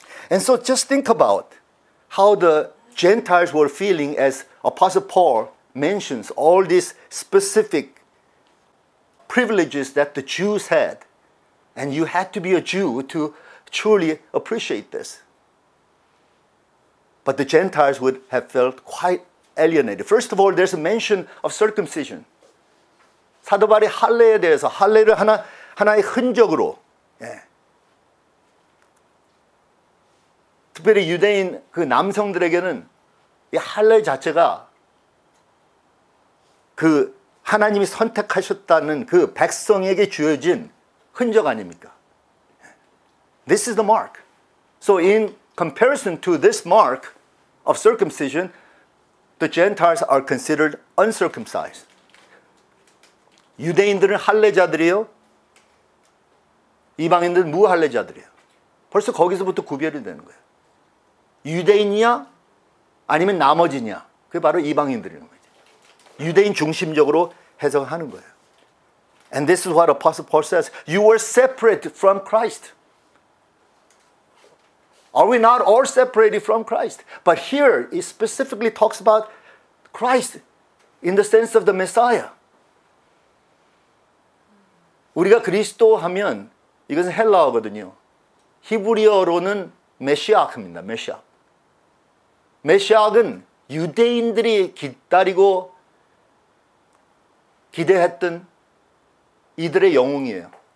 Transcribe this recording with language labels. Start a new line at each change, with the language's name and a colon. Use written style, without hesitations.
English: And so just think about how the Gentiles were feeling as Apostle Paul mentions all these specific privileges that the Jews had. And you had to be a Jew to truly appreciate this. But the Gentiles would have felt quite alienated. First of all, there's a mention of circumcision.
Korean: 사도바리 할례에 대해서 할례를 하나의 흔적으로 특별히 유대인 그 남성들에게는 이 할례 자체가 그 하나님이 선택하셨다는 그 백성에게 주어진 흔적 아닙니까?
English: This is the mark. So in comparison to this mark of circumcision, the Gentiles are considered uncircumcised.
Korean: 유대인들은 할례자들이요. 이방인들은 무할례자들이요. 벌써 거기서부터 구별이 되는 거예요. 유대인이냐 아니면 나머지냐 그게 바로 이방인들이라는 거죠. 유대인 중심적으로 해석하는 거예요.
English: And this is what Apostle Paul says. You were separate from Christ. Are we not all separated from Christ? But here he specifically talks about Christ in the sense of the Messiah.
Korean: 우리가 그리스도 하면 이것은 헬라어거든요. 히브리어로는 메시아크입니다. 메시아크. 메시아크는 유대인들이 기다리고 기대했던 이들의 영웅이에요.